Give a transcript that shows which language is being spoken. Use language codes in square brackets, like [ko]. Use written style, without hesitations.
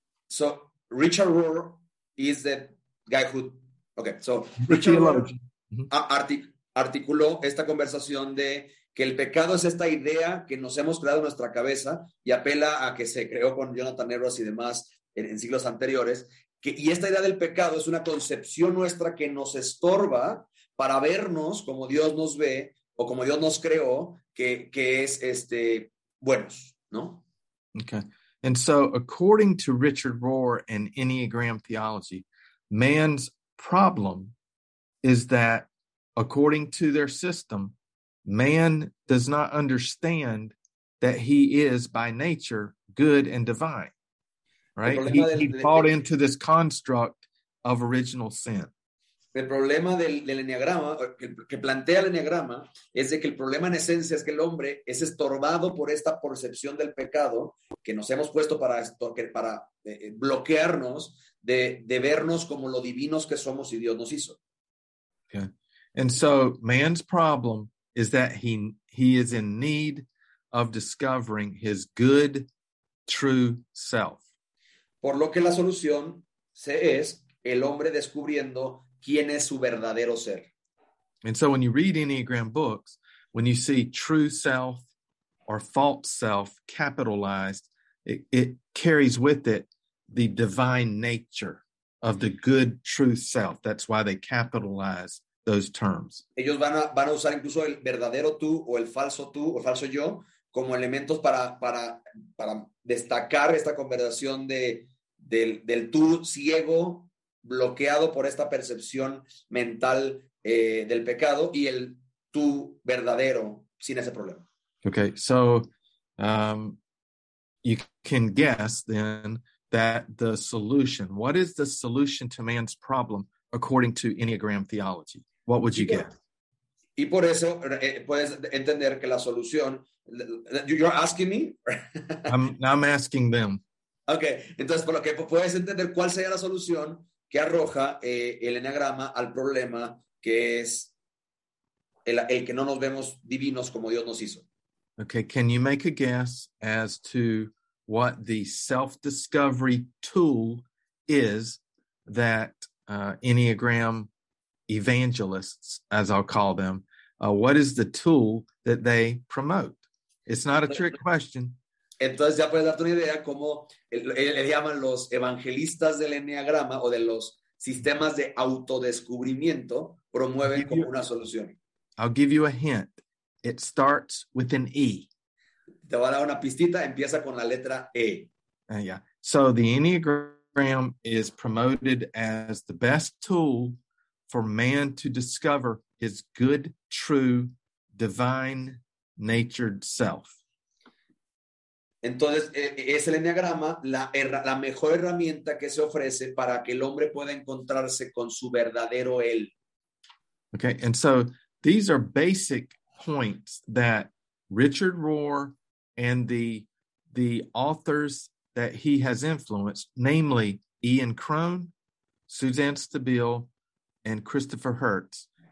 [en] So Richard Rohr is the guy who, okay, so [es] Richard Rohr articuló esta conversación de que el pecado es esta idea que nos hemos creado en nuestra cabeza y apela a que se creó con Jonathan Edwards y demás en siglos anteriores, que, y esta idea del pecado es una concepción nuestra que nos estorba para vernos como Dios nos ve o como Dios nos creó, que es buenos, ¿no? [en] Okay. And so, according to Richard Rohr and Enneagram theology, man's problem is that, according to their system, man does not understand that he is, by nature, good and divine, right? He bought into this construct of original sin. [es] El problema del Enneagrama, que plantea el Enneagrama, es de que el problema en esencia es que el hombre es estorbado por esta percepción del pecado que nos hemos puesto para bloquearnos de vernos como lo divinos que somos y Dios nos hizo. [en] Okay. And so man's problem is that he is in need of discovering his good, true self. [es] Por lo que la solución es el hombre descubriendo quién es su verdadero ser. [en] And so when you read Enneagram books, when you see true self or false self capitalized, it carries with it the divine nature of the good true self. That's why they capitalize those terms. [es] Ellos van a usar incluso el verdadero tú o el falso yo como elementos para destacar esta conversación del tú ciego bloqueado por esta percepción mental del pecado y el tú verdadero sin ese problema. [en] Okay, so you can guess then that the solution, what is the solution to man's problem according to Enneagram theology? What would you guess? [es] Y por eso puedes entender que la solución, [en] you're asking me? I'm asking them. [es] Okay, entonces por lo que puedes entender cuál sería la solución que arroja el Enneagrama al problema que es el que no nos vemos divinos como Dios nos hizo. [en] Okay, can you make a guess as to what the self-discovery tool is that Enneagram evangelists, as I'll call them, what is the tool that they promote? It's not a trick question. [es] Entonces ya puedes darte una idea cómo le llaman los evangelistas del Enneagrama o de los sistemas de autodescubrimiento promueven como una solución. [en] I'll give you a hint. It starts with an E. [es] Te voy a dar una pistita. Empieza con la letra E. [en] Yeah. So the Enneagram is promoted as the best tool for man to discover his good, true, divine natured self. [es] Entonces, es el Enneagrama la mejor herramienta que se ofrece para que el hombre pueda encontrarse con su verdadero él. [en] Okay, and so these are basic points that Richard Rohr and the authors that he has influenced, namely Ian Crone, Suzanne Stabile, and Christopher Hertz.